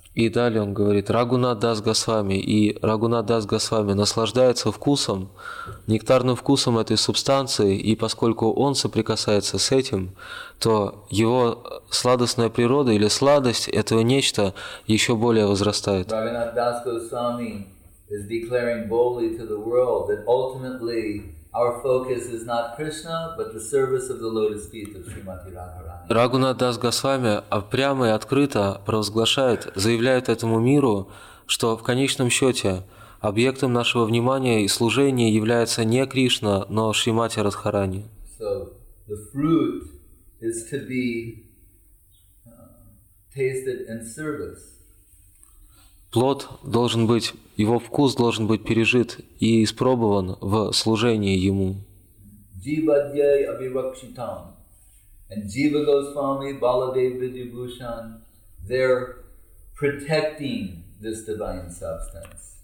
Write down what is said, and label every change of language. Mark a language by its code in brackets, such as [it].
[ru] И далее он говорит, Рагунат Дас Госвами, и Рагунат Дас Госвами наслаждается вкусом, нектарным вкусом этой субстанции, и поскольку он соприкасается с этим, то его сладостная природа или сладость этого нечто еще более возрастает. [en] Рагунат Дас Госвами is declaring boldly to the world that ultimately our focus is not Krishna, but the service of the lotus feet of Srimati Radharani. [ru] Рагунат Дас Госвами прямо и открыто провозглашает, заявляет этому миру, что в конечном счете объектом нашего внимания и служения является не Кришна, но Шримати Радхарани. [en] So the fruit is to be tasted in service. [ru] Плод должен быть, его вкус должен быть пережит и испробован в служении ему. [sa] Jivadyai Abhivakshitam. [en] And Jiva Goswami, Baladev Vidyabhushan, they're protecting this divine substance.